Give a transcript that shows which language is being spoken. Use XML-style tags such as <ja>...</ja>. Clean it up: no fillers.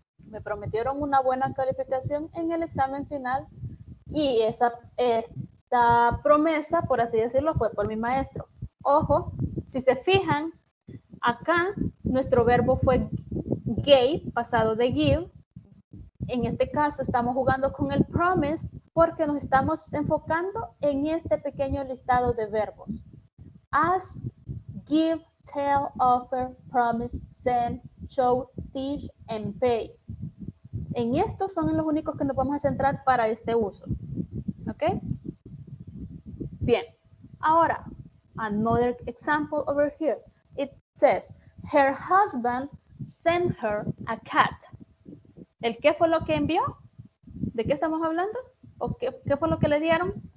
<es>Me prometieron una buena calificación en el examen final y esta promesa, por así decirlo, fue por mi maestro. Ojo, si se fijan, acá nuestro verbo fue gave, pasado de give. En este caso estamos jugando con el promise porque nos estamos enfocando en este pequeño listado de verbos.</es> <en>Ask, give, tell, offer, promise, send, show, teach, and pay.</en> <es>En estos son los únicos que nos vamos a centrar para este uso.</es> <en>¿Ok?</en> <es>Bien. Ahora,</es> <en>another example over here. It says, her husband sent her a cat.</en> <es>¿El qué fue lo que envió? ¿De qué estamos hablando? ¿O qué fue lo que le dieron?</es>